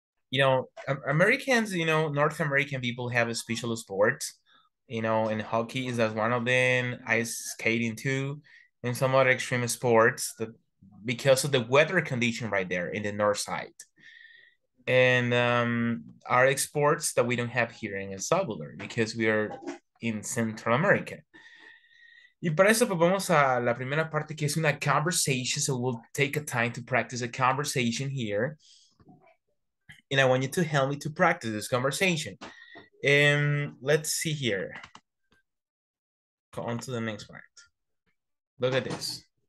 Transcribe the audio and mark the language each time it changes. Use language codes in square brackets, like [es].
[en] You know, Americans, you know, North American people have a special sports, you know, and hockey is as one of them, ice skating too, and some other extreme sports that, because of the weather condition right there in the north side. And our exports that we don't have here in El Salvador because we are in Central America. [es] Y para eso pues vamos a la primera parte que es una conversation. [en] So we'll take a time to practice a conversation here. And I want you to help me to practice this conversation. And let's see here. Go on to the next part. Look at this.